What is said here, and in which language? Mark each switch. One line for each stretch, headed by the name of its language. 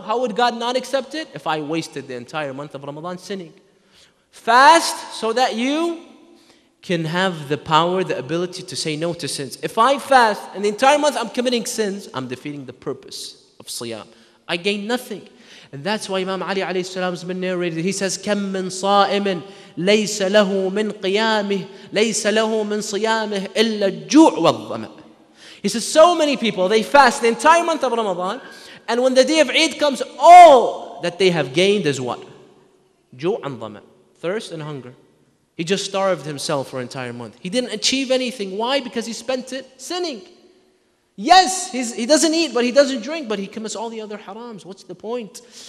English: How would God not accept it? If I wasted the entire month of Ramadan sinning. Fast so that you can have the power, the ability to say no to sins. If I fast and the entire month I'm committing sins, I'm defeating the purpose of siyam. I gain nothing. And that's why Imam Ali alayhi salam has been narrated. He says,
Arabic: كَمْ مِنْ صَائِمٍ لَيْسَ لَهُ مِنْ قِيَامِهِ لَيْسَ لَهُ مِنْ صِيَامِهِ إِلَّا الْجُوعُ وَالْضَمَأِ.
English: He says, so many people, they fast the entire month of Ramadan, and when the day of Eid comes, all that they have gained is what?
Arabic: جُوعُ وَالْضَمَأِ,
English: thirst and hunger. He just starved himself for an entire month. He didn't achieve anything. Why? Because he spent it sinning. Yes, he doesn't eat, but he doesn't drink, but he commits all the other harams. What's the point?